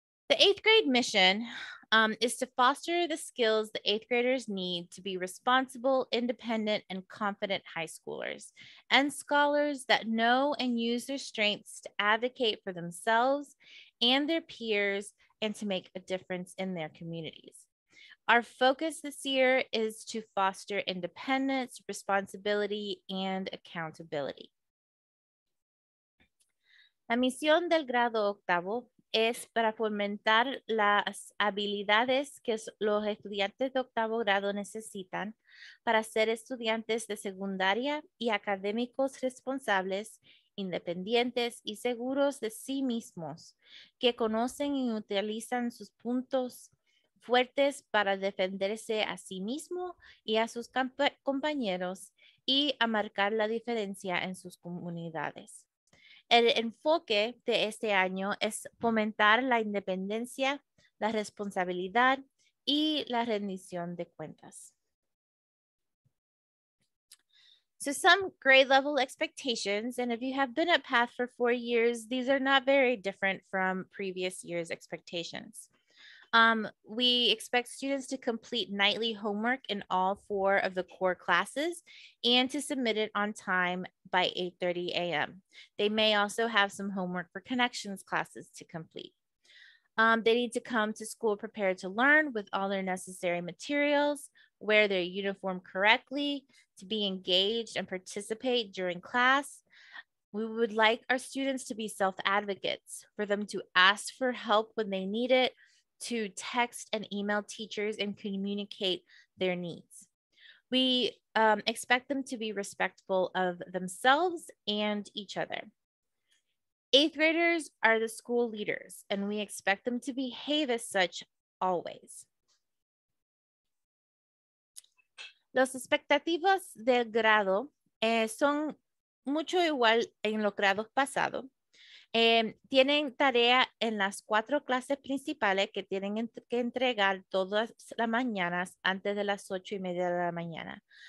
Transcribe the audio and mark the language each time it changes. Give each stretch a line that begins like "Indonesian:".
English: The eighth grade mission is to foster the skills the eighth graders need to be responsible, independent, and confident high schoolers and scholars that know and use their strengths to advocate for themselves and their peers and to make a difference in their communities. Our focus this year is to foster independence, responsibility, and accountability.
Spanish: La misión del grado octavo es para fomentar las habilidades que los estudiantes de octavo grado necesitan para ser estudiantes de secundaria y académicos responsables, independientes y seguros de sí mismos, que conocen y utilizan sus puntos fuertes para defenderse a sí mismo y a sus compañeros y a marcar la diferencia en sus comunidades. El enfoque de este año es fomentar la independencia, la responsabilidad y la rendición de cuentas.
English: So some grade level expectations, and if you have been at PATH for 4 years, these are not very different from previous year's expectations. We expect students to complete nightly homework in all four of the core classes and to submit it on time by 8:30 a.m. They may also have some homework for connections classes to complete. They need to come to school prepared to learn with all their necessary materials, wear their uniform correctly, to be engaged and participate during class. We would like our students to be self-advocates, for them to ask for help when they need it, to text and email teachers and communicate their needs. We expect them to be respectful of themselves and each other. Eighth graders are the school leaders, and we expect them to behave as such always.
Spanish: Las expectativas del grado son mucho igual en los grados pasados. Tienen tarea en las cuatro clases principales que tienen que entregar todas las mañanas antes de las 8:30 de la mañana.